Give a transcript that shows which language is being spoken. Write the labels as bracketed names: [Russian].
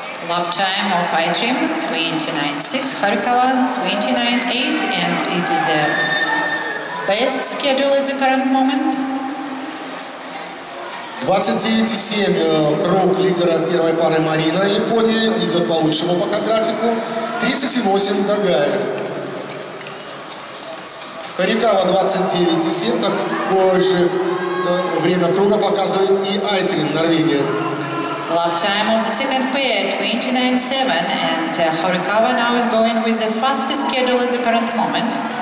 [English] Lap time of Aitrim 29:06, Horikawa 29:08, and it is the best schedule at the current moment. [Russian] 29:07 круг лидера первой пары Марина Япония идет по лучшему пока графику. 30:08 Дагаев. Хорикава 29:07, такое же время круга показывает и Aitrim Норвегия. [English] Lap time of the second pair 29:07, and Horikawa now is going with the fastest schedule at the current moment.